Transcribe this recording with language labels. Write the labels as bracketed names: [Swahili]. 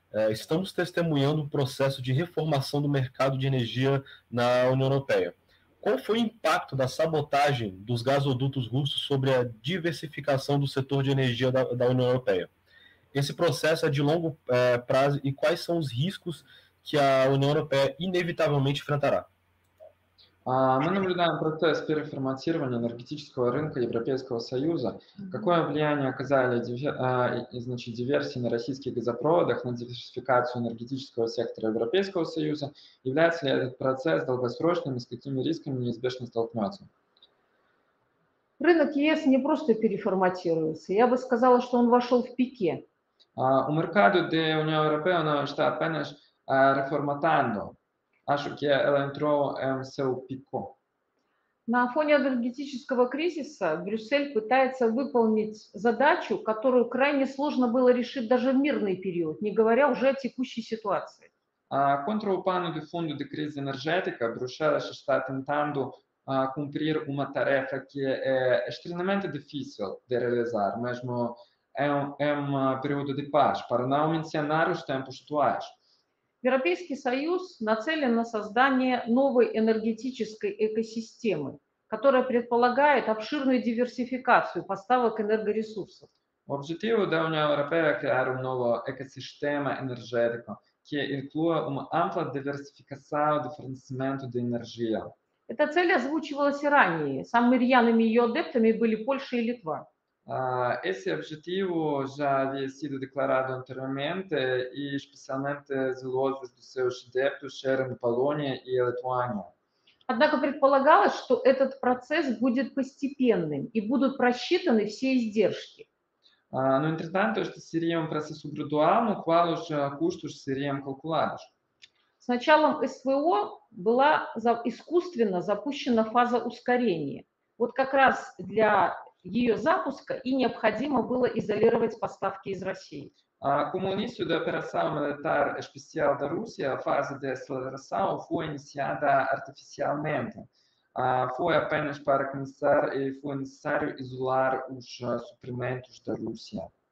[Portuguese] Estamos testemunhando um processo de reformação do mercado de energia na União Europeia. Qual foi o impacto da sabotagem dos gasodutos russos sobre a diversificação do setor de energia da União Europeia? Esse processo é de longo prazo e quais são os riscos que a União Europeia inevitavelmente enfrentará? [Russian] Мы наблюдаем процесс переформатирования энергетического рынка Европейского Союза. Какое влияние оказали диверсии на российских газопроводах, на диверсификацию энергетического сектора Европейского Союза? Является ли этот процесс долгосрочным и с какими рисками неизбежно столкнется? Рынок ЕС не просто переформатируется, я бы сказала, что он вошел в пике. У [Portuguese] mercado de União Europeia não está apenas reformatando, acho que ela entrou em seu pico. [Russian] На фоне энергетического кризиса Брюссель пытается выполнить задачу, которую крайне сложно было решить даже в мирный период, не говоря уже о текущей ситуации. [Portuguese] Contra o pano de fundo de crise energética, Bruxelas está tentando cumprir uma tarefa que é extremamente difícil de realizar, mesmo em período de paz, para não mencionar os tempos atuais. [Russian] Европейский Союз нацелен на создание новой энергетической экосистемы, которая предполагает обширную диверсификацию поставок энергоресурсов. [Portuguese] Objetivo da União Europeia é criar um novo ecossistema energético que inclua uma ampla diversificação de fornecimento de energia. [Russian] Эта цель озвучивалась ранее. Самыми рьяными ее адептами были Польша и Литва. [Portuguese] Esse objetivo já havia sido declarado anteriormente e especialmente zelosos dos seus adeptos eram Polônia e Lituânia. [Russian] Однако предполагалось, что этот процесс будет постепенным и будут просчитаны все издержки. [Portuguese] No entretanto, este seria um processo gradual, no qual os custos seriam calculados. [Russian] С началом СВО была искусственно запущена фаза ускорения. Вот как раз для ее запуска и необходимо было изолировать поставки из России. [Portuguese] Como início da operação militar especial da Rússia, a fase de aceleração foi iniciada artificialmente. Foi apenas para começar e foi necessário isolar os suprimentos da Rússia.